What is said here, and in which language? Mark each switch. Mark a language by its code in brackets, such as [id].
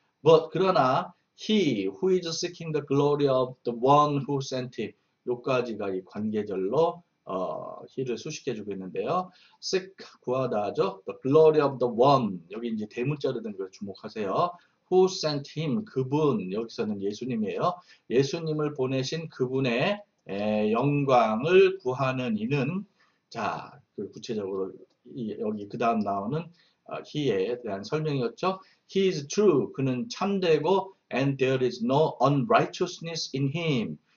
[en] But [ko] 그러나 [en] he who is seeking the glory of the one who sent him. [ko] 요까지가 이 관계절로 he를 수식해주고 있는데요. seek 구하다죠. [en] The glory of the one [ko] 여기 이제 대문자로 된걸 주목하세요. [en] Who sent him [ko] 그분 여기서는 예수님이에요. 예수님을 보내신 그분의 영광을 구하는 이는 자그 구체적으로 여기 그 다음 나오는 he에 대한 설명이었죠. [en] He is true [ko] 그는 참되고 [en] and there is no unrighteousness in him.